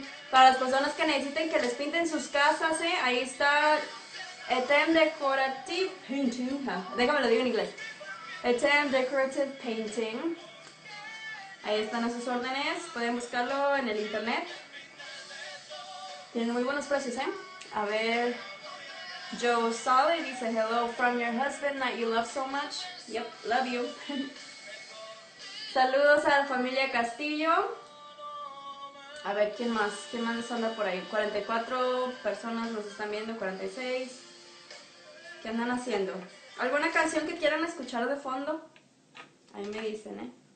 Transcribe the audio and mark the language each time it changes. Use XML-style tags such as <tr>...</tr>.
<es>Para las personas que necesiten que les pinten sus casas, ¿eh? Ahí está Extend Decorative Painting. Déjame lo digo en inglés. Extend Decorative Painting. Ahí están a sus órdenes, pueden buscarlo en el internet. Tienen muy buenos precios, ¿eh? A ver,</es> <en>Joe Sale dice, hello from your husband that you love so much. Yep, love you.</en> <es>Saludos a la familia Castillo. A ver, ¿quién más? ¿Quién más anda por ahí? 44 personas nos están viendo, 46. ¿Qué andan haciendo? ¿Alguna canción que quieran escuchar de fondo? Ahí me dicen, ¿eh?</es>